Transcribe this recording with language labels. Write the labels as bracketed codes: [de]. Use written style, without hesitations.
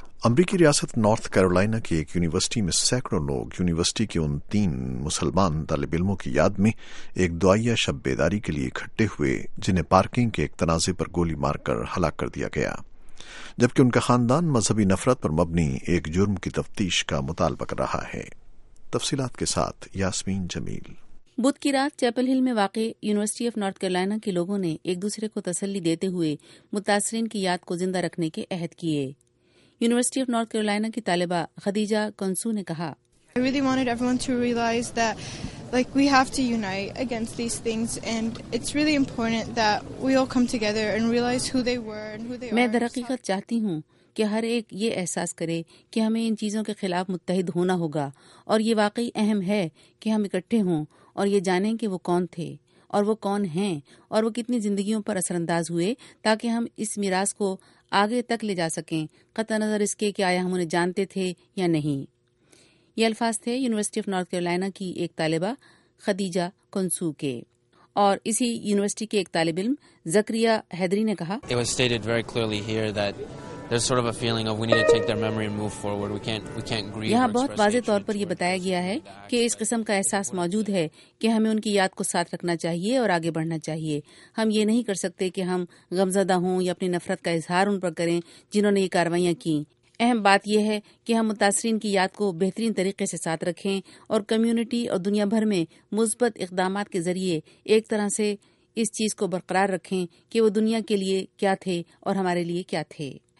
[ur] امریکی ریاست north Carolina کی ایک یونیورسٹی میں سینکڑوں لوگ یونیورسٹی کے ان 3 مسلمان طالب علموں کی یاد میں ایک دعائیہ شب بیداری کے لیے اکٹھے ہوئے، جنہیں پارکنگ کے ایک تنازع پر گولی مار کر ہلاک کر دیا گیا، جبکہ ان کا خاندان مذہبی نفرت پر مبنی ایک جرم کی تفتیش کا مطالبہ کر رہا ہے۔ تفصیلات کے ساتھ یاسمین جمیل۔ بدھ کی رات چیپل ہل میں واقع یونیورسٹی آف نارتھ کیرولائنا کے لوگوں نے ایک دوسرے کو تسلی دیتے ہوئے متاثرین کی یاد کو زندہ رکھنے کے عہد کیے۔ یونیورسٹی آف نارتھ کیرولائنا کی طالبہ خدیجہ کنسو نے کہا، [en] I really wanted everyone to realize that like we have to unite against these things and it's really important that we all come together and realize who they were and who they are. [ur] میں درحقیقت چاہتی ہوں کہ ہر ایک یہ احساس کرے کہ ہمیں ان چیزوں کے خلاف متحد ہونا ہوگا، اور یہ واقعی اہم ہے کہ ہم اکٹھے ہوں اور یہ جانیں کہ وہ کون تھے اور وہ کون ہیں اور وہ کتنی زندگیوں پر اثر انداز ہوئے، تاکہ ہم اس میراث کو آگے تک لے جا سکیں قطع نظر اس کے کہ آیا ہم انہیں جانتے تھے یا نہیں۔ یہ الفاظ تھے یونیورسٹی آف نارتھ کیرولائنا کی ایک طالبہ خدیجہ کنسو کے۔ اور اسی یونیورسٹی کے ایک طالب علم زکریہ حیدری نے کہا، [en] It was stated very clearly here that there's sort of a feeling of we need to take their memory and move forward. We can't grieve. [ur] یہاں بہت واضح طور پر یہ بتایا گیا ہے کہ اس قسم کا احساس موجود ہے کہ ہمیں ان کی یاد کو ساتھ رکھنا چاہیے اور آگے بڑھنا چاہیے۔ ہم یہ نہیں کر سکتے کہ ہم غمزدہ ہوں یا اپنی نفرت کا اظہار ان پر کریں جنہوں نے یہ کاروائیاں کی۔ اہم بات یہ ہے کہ ہم متاثرین کی یاد کو بہترین طریقے سے ساتھ رکھیں اور کمیونٹی اور دنیا بھر میں مثبت اقدامات کے ذریعے ایک طرح سے اس چیز کو برقرار رکھیں کہ وہ دنیا کے لیے کیا تھے اور ہمارے لیے کیا تھے۔